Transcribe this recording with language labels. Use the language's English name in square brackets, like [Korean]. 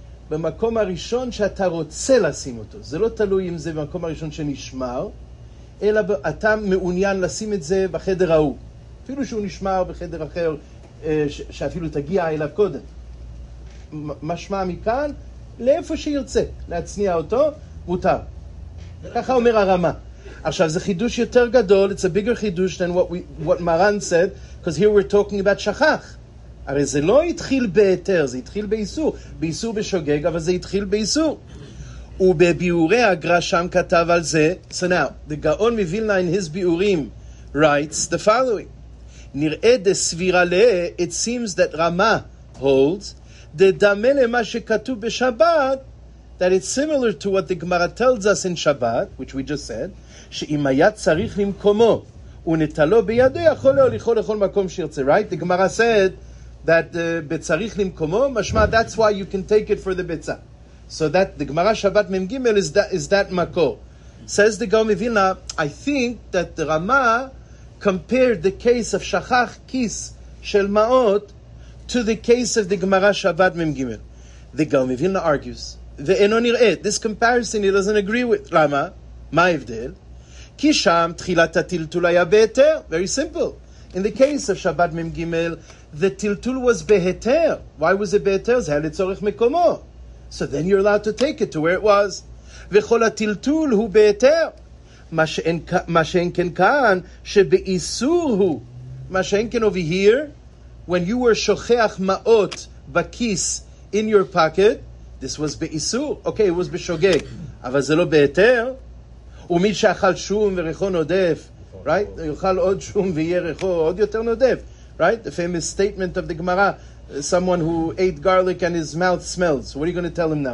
[Hebrew] במקום הראשון שאתה רוצה לשים אותו. זה לא תלוי אם זה במקום הראשון שנשמר, אלא אתה מעוניין לשים את זה בחדר ההוא. אפילו שהוא נשמר בחדר אחר, שאפילו תגיע אליו קודם. משמע מכאן, לאיפה שירצה להצניע אותו, מותר. ככה אומר הרמה. עכשיו זה חידוש יותר גדול, [English] it's a bigger חידוש than what Maran said, because here we're talking about שכח. [Hebrew] הרי זה לא התחיל ביתר, זה התחיל באיסור. באיסור בשוגג, אבל זה התחיל באיסור. ובביאורי הגרא שם כתב על זה, [English] so now, the גאון מווילנה in his ביאורים writes the following. [Hebrew] נראה דסבירה לה, [English] it seems that רמה holds, [Hebrew] דדמה למה שכתוב בשבת, [English] that it's similar to what the Gemara tells us in Shabbat, which we just said, [Hebrew] שאם היה צריך למקומו ונטלו בידו יכול להוליכו לכל מקום שירצה, [English] right? The Gemara said that [Hebrew] בצריך למקומו, משמע, [English] that's why you can take it for the ביצה. So that the Gemara Shabbat Mem Gimel is that מקור. Says the Gaon Mevilna, I think that the Rama compared the case of שכח כיס של מעות to the case of the Gemara Shabbat Mem Gimel. The Gaon Mevilna argues, [Hebrew] ואינו נראה. [English] This comparison he doesn't agree with. [Hebrew] למה? מה ההבדל? כי שם תחילת הטלטול היה בהיתר. [English] Very simple. In the case of Shabbat Mem Gimel, the tiltul was בהיתר. Why was it בהיתר? [Hebrew] זה היה לצורך מקומו. [English] So then you're allowed to take it to where it was. [Hebrew] וכל הטלטול הוא בהיתר. מה שאין כן כאן, שבאיסור הוא. מה שאין כן [English] over here, when you were שוכח מאות בכיס in your pocket, this was באיסור. Okay, it was בשוגג. [Hebrew] אבל זה לא בהיתר. ומי שאכל שום וריחו נודף, right? יאכל עוד שום ויהיה ריחו עוד יותר נודף, right? [English] The famous statement of the Gemara, someone who ate garlic and his mouth smells. So what are you going to tell him now?